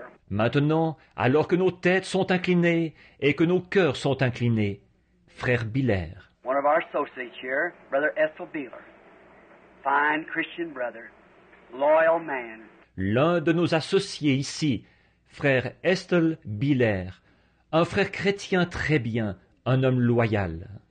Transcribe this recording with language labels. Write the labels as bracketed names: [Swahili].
[French] Maintenant, alors que nos têtes sont inclinées et que nos cœurs sont inclinés, frère Biller. [English] One of our associates here, Brother Ethel Biller, fine Christian brother, loyal man. [French] L'un de nos associés ici, frère Ethel Biller, un frère chrétien très bien, un homme loyal.